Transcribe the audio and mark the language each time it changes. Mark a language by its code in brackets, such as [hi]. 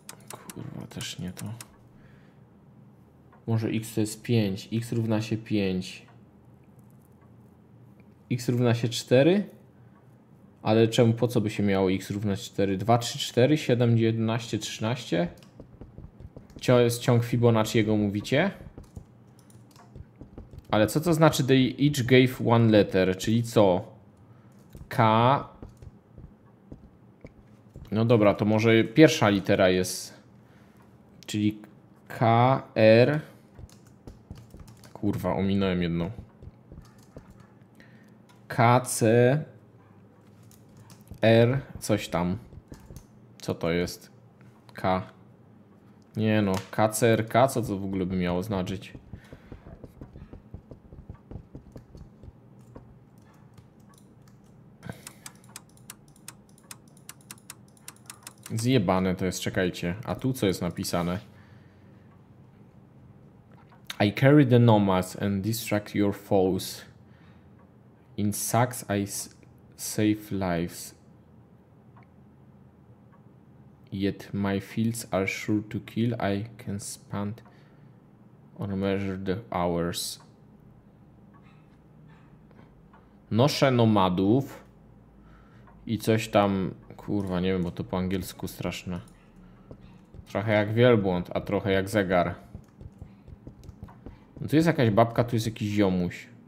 [pl] Kurwa, też nie to. Może X to jest 5. X równa się 5. X równa się 4? Ale czemu, po co by się miało X równać 4? 2, 3, 4, 7, 11, 13? To jest ciąg Fibonacci, jego mówicie? Ale co to znaczy [en] they each gave one letter? [pl] Czyli co? K. No dobra, to może pierwsza litera jest. Czyli K, R. Kurwa, ominąłem jedną. K, C, R, coś tam. Co to jest? K. Nie no, K, C, R, K, co to w ogóle by miało znaczyć? Zjebane to jest, czekajcie. A tu co jest napisane? [en] I carry the nomads and distract your foes. In sacks I save lives. Yet my fields are sure to kill. I can spend or measure the hours. [pl] Noszę nomadów i coś tam, kurwa, nie wiem, bo to po angielsku straszne. Trochę jak wielbłąd, a trochę jak zegar. No tu jest jakaś babka, tu jest jakiś ziomuś.